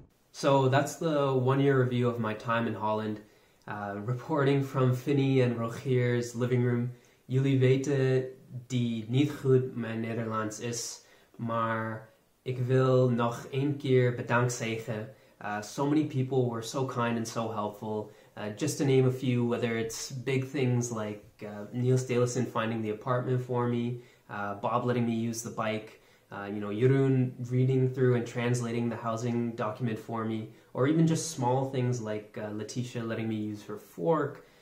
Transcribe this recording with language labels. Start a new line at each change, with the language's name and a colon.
English: So that's the 1 year review of my time in Holland, reporting from Finny and Rogier's living room.
Dutch: Jullie weten die niet goed mijn Nederlands is, maar ik wil nog één keer bedankt zeggen.
English: So many people were so kind and so helpful. Just to name a few, whether it's big things like Niels Delison finding the apartment for me, Bob letting me use the bike, Jeroen reading through and translating the housing document for me, or even just small things like Leticia letting me use her fork.